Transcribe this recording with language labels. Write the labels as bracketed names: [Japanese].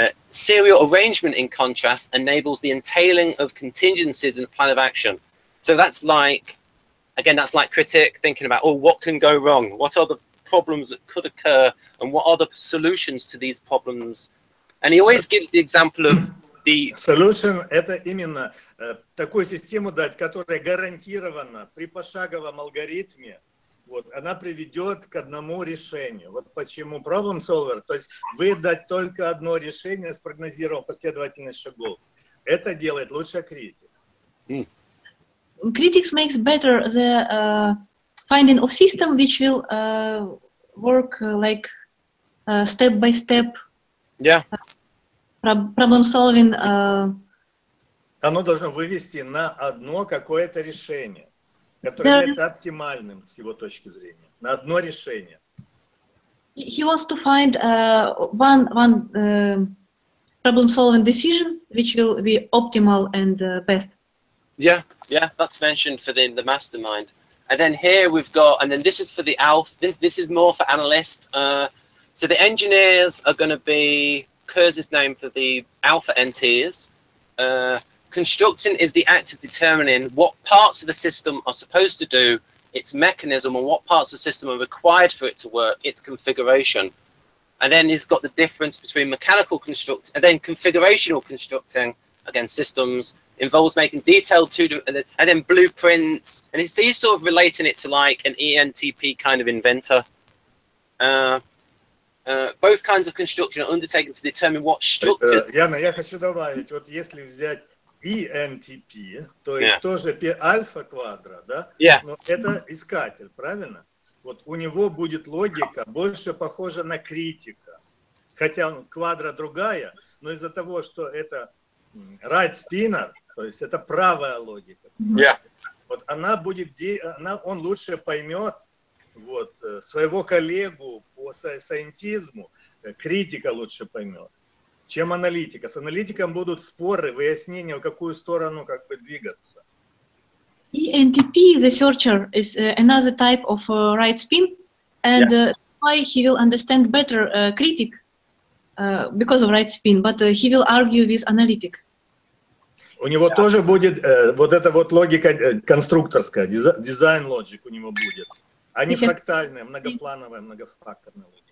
[English] Serial arrangement, in contrast, enables the entailing of contingencies in a plan of action. So that's like, again, that's like critic thinking about, oh, what can go wrong? What are the problems that could occur? And what are the solutions to these problems? And he always gives the example of the... [Russian] Solution – это именно такую систему дать, которая гарантированно при пошаговом алгоритме, вот, она приведет к одному решению. Вот почему problem solver, то есть выдать только одно решение, спрогнозировав последовательность шагов. Это делает лучше критик. [English] Critics makes better the finding of system, which will work like step by step. Yeah. Problem solving. [Russian] Оно должно вывести на одно какое-то решение, которое является оптимальным с его точки зрения. На одно решение. [English] He wants to find one problem solving decision, which will be optimal and best. Yeah, that's mentioned for the mastermind. And then here we've got, and then this is for the ALF. This is more for analyst. So the engineers are going to be Kurz's name for the alpha NTs. Constructing is the act of determining what parts of a system are supposed to do, its mechanism, and what parts of the system are required for it to work, its configuration. And then he's got the difference between mechanical construct and then configurational constructing. Again, systems involves making detailed and then blueprints. And he's sort of relating it to like an ENTP kind of inventor. Both kinds of construction are undertaken to determine what structure... [Russian] Яна, я хочу добавить, вот если взять ENTP, то есть тоже альфа-квадра, да? [English] Yeah. [Russian] Но это искатель, правильно? Вот у него будет логика больше похожа на критика. Хотя квадра другая, но из-за того, что это [English] right spinner, [Russian] то есть это правая логика. [English] Yeah. [Russian] Вот она будет, он лучше поймет... Вот своего коллегу по сайентизму критика лучше поймет, чем аналитика. С аналитиком будут споры, выяснения, в какую сторону как бы двигаться. [English] ENTP, the searcher, is another type of right spin, and why he will understand better critic because of right spin, but he will argue with analytic. [Russian] У него тоже будет вот эта вот логика конструкторская, дизайн логик у него будет. Они фрактальные, многоплановые, многофакторные.